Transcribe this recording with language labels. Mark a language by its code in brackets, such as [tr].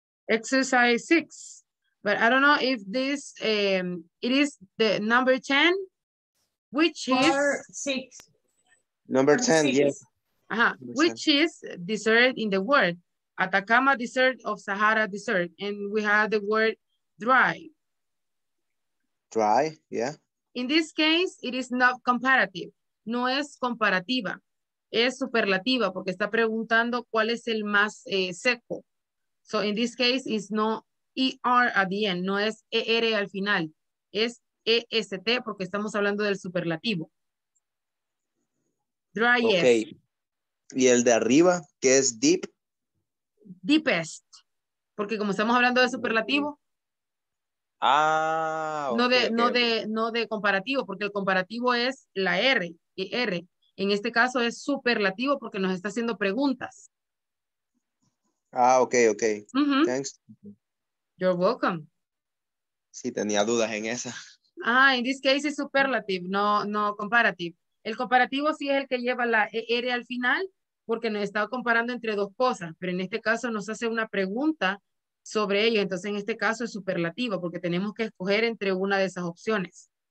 [en] Exercise 6, but I don't know if this, it is the number 10, which four, is? 6. Number 10, six. Yes. Uh-huh. Number which 10. Is dessert in the word? Atacama dessert of Sahara dessert, and we have the word dry. Dry, yeah. In this case, it is not comparative. [es] No es comparativa, es superlativa, porque está preguntando cuál es el más seco. [en] So, in this case, it's no ER at the end, [es] no es ER al final, es EST, porque estamos hablando del superlativo. [en] Driest. Okay. [es] ¿Y el de arriba, que es deep? Deepest, porque como estamos hablando de superlativo, no de comparativo, porque el comparativo es la R. Y R, en este caso es superlativo porque nos está haciendo preguntas. [en] Ah, ok. Uh-huh. Thanks. You're welcome. [es] Sí, tenía dudas en esa. [en] Ah, in this case is superlative, no comparative. [es] El comparativo sí es el que lleva la R al final porque nos está comparando entre dos cosas, pero en este caso nos hace una pregunta sobre ello. Entonces, en este caso es superlativo porque tenemos que escoger entre una de esas opciones.